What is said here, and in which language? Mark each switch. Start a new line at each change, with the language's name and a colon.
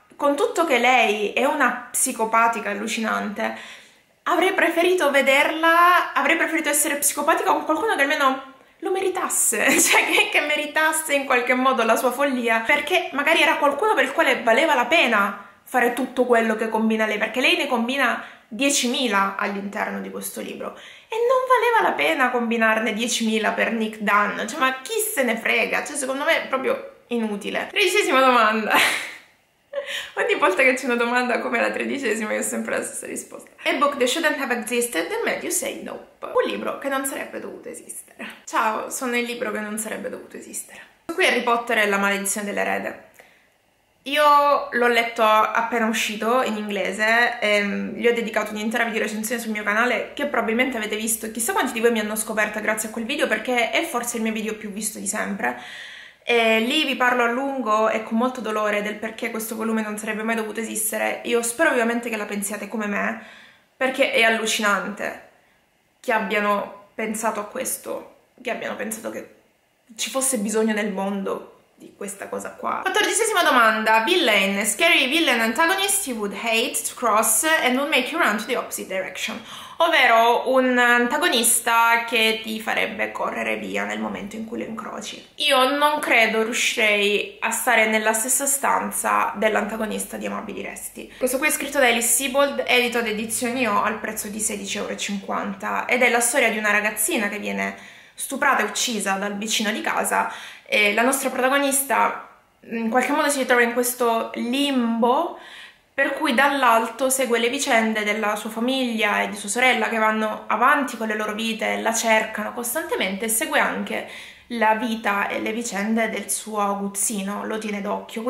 Italian: Con tutto che lei è una psicopatica allucinante, avrei preferito vederla, avrei preferito essere psicopatica con qualcuno che almeno lo meritasse, cioè che meritasse in qualche modo la sua follia, perché magari era qualcuno per il quale valeva la pena fare tutto quello che combina lei, perché lei ne combina 10.000 all'interno di questo libro e non valeva la pena combinarne 10.000 per Nick Dunn, cioè ma chi se ne frega, cioè secondo me è proprio inutile. 13esima domanda. Ogni volta che c'è una domanda come la 13esima io ho sempre la stessa risposta.
English: A book that shouldn't have existed and made you say nope.
Italian: Un libro che non sarebbe dovuto esistere. Ciao, sono il libro che non sarebbe dovuto esistere. Qui Harry Potter e la maledizione dell'erede. Io l'ho letto appena uscito in inglese e gli ho dedicato un'intera video recensione sul mio canale che probabilmente avete visto. Chissà quanti di voi mi hanno scoperta grazie a quel video, perché è forse il mio video più visto di sempre. E lì vi parlo a lungo e con molto dolore del perché questo volume non sarebbe mai dovuto esistere. Io spero ovviamente che la pensiate come me, perché è allucinante che abbiano pensato a questo, che abbiano pensato che ci fosse bisogno nel mondo di questa cosa qua. 14esima domanda,
English: villain, scary villain antagonist you would hate to cross and would make you run to the opposite direction.
Italian: Ovvero un antagonista che ti farebbe correre via nel momento in cui lo incroci. Io non credo riuscirei a stare nella stessa stanza dell'antagonista di Amabili Resti. Questo qui è scritto da Alice Sebold, edito ad edizioni O al prezzo di 16,50€, ed è la storia di una ragazzina che viene stuprata e uccisa dal vicino di casa, e la nostra protagonista in qualche modo si ritrova in questo limbo per cui dall'alto segue le vicende della sua famiglia e di sua sorella che vanno avanti con le loro vite, la cercano costantemente, e segue anche la vita e le vicende del suo aguzzino, lo tiene d'occhio.